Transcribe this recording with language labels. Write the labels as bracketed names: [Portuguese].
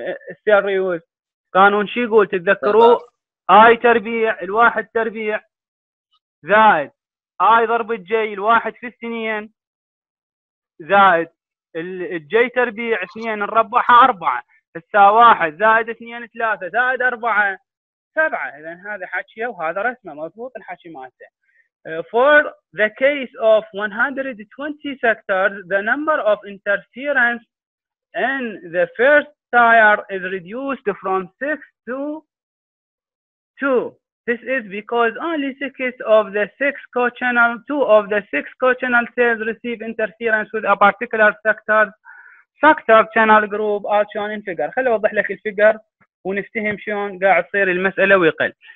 [Arabic] السيل ريوز قانون شي يقول تتذكروا؟ آي تربيع الواحد تربيع زائد آي ضرب الجي الواحد في السنين زائد الجي تربيع اثنين الربعها أربعة، السا واحد زائد اثنين ثلاثة زائد أربعة سبعة. إذن هذا حكيه وهذا رسمه مضبوط الحكي مالته. [English] For the case of 120 sectors the number of interference in the first tire is reduced from 6 to 2. This is because only 6 of the 6 co-channel 2 of the 6 co-channel cells receive interference with a particular sector channel group as shown in figure. [Arabic] خلي أوضح لك الفيجر ونفتهم شلون قاعد تصير المسألة ويقل.